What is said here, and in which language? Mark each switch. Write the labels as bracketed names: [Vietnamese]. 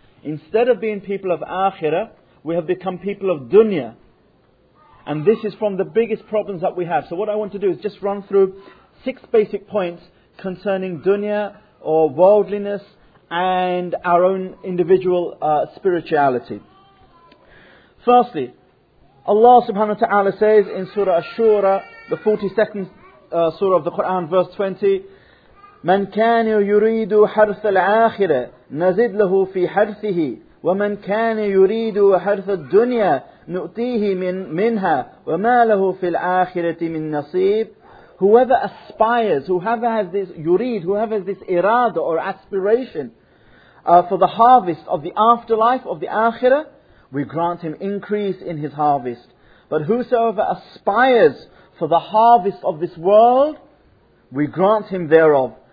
[English] Instead of being people of Akhirah, we have become people of Dunya. And this is from the biggest problems that we have. So what I want to do is just run through six basic points concerning Dunya or worldliness and our own individual spirituality. Firstly, Allah subhanahu wa ta'ala says in Surah Ash-Shura, the 42nd Surah of the Quran, verse 20, [Arabic] من كان يريد حرث الآخرة نزد له في حرثه ومن كان يريد حرث الدنيا نؤتيه منها وما له في الآخرة من نصيب. [English] Whoever aspires, whoever has this irada or aspiration for the harvest of the afterlife of the akhirah, we grant him increase in his harvest. But whosoever aspires for the harvest of this world, we grant him thereof.